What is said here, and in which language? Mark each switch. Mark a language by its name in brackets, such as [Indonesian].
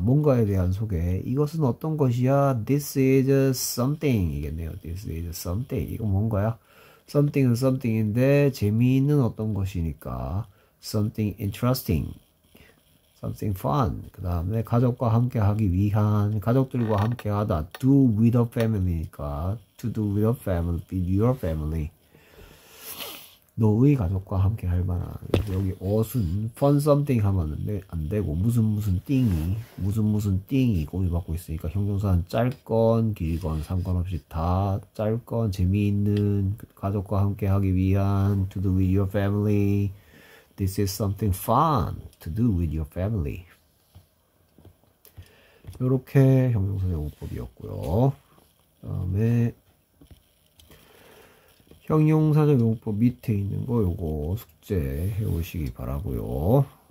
[Korean] 뭔가에 대한 소개. 이것은 어떤 것이야? [English] This is something [Korean] 이겠네요. [English] This is something. [Korean] 이거 뭔가야? Something은 something인데 재미있는 어떤 것이니까. [English] Something interesting, something fun. [Korean] 그 다음에 가족과 함께 하기 위한, 가족들과 함께 하다. [English] Do with a family니까. To do with a family, with your family. [Korean] 너의 가족과 함께 할 만한. 여기 어순, [English] fun something [Korean] 하면 안 되고, 무슨 무슨 띵이, 무슨 무슨 띵이 꿈이 받고 있으니까 형용사는 짧건 길건 상관없이 다 짧건 재미있는 가족과 함께 하기 위한. [English] To do with your family. This is something fun to do with your family. [Korean] 이렇게 형용사 용법이었고요. 그다음에 형용사적 용법 밑에 있는 거 요거 숙제해 오시기 바라고요.